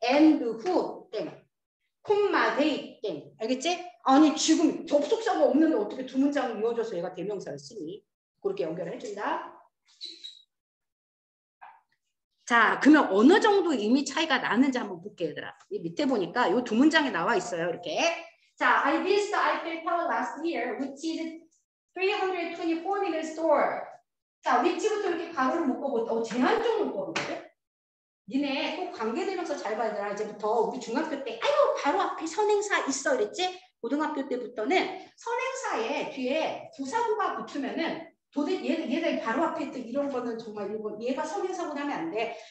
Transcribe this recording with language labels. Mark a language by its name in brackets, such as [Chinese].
[English] and who [Korean] 땡. 콤마 they 땡. 알겠지? 아니 지금 접속사가 없는데 어떻게 두 문장을 이어줘서 얘가 대명사를 쓰니? 그렇게 연결을 해준다. 자, 그러면 어느 정도 의미 차이가 나는지 한번 볼게 얘들아. 이 밑에 보니까 요 두 문장이 나와 있어요. 이렇게. [English] 자, I missed the Eiffel Tower last year, which is 324 meters tall. [Korean] 자, which부터 이렇게 가로를 묶어보자. 제한적 묶어보자. 니네 꼭 관계대명사 잘 봐야 되나. 이제부터 우리 중학교 때 아이고 바로 앞에 선행사 있어 그랬지. 고등학교 때부터는 선행사에 뒤에 부사구가 붙으면은 도대체 얘네 바로 앞에 또 이런 거는 정말 이거 얘가 선행사구나 하면 안 돼.